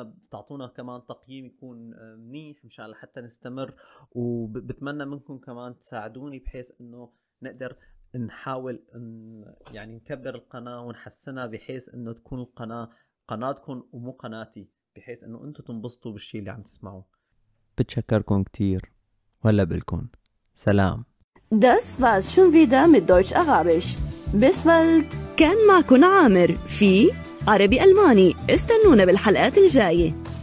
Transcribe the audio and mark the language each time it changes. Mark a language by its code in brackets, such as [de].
[ar] تعطونا كمان تقييم يكون منيح مشان حتى نستمر، وبتمنى منكم كمان تساعدوني بحيث انه نقدر نحاول ان يعني نكبر القناه ونحسنها، بحيث انه تكون القناه قناتكم ومو قناتي، بحيث انه انتم تنبسطوا بالشيء اللي عم تسمعوه. بتشكركم كتير، ولا بلكون سلام. [de] Das war's schon wieder mit Deutsch Arabisch. Bis bald. [ar] كان معكم عامر في عربي ألماني. استنونا بالحلقات الجايه.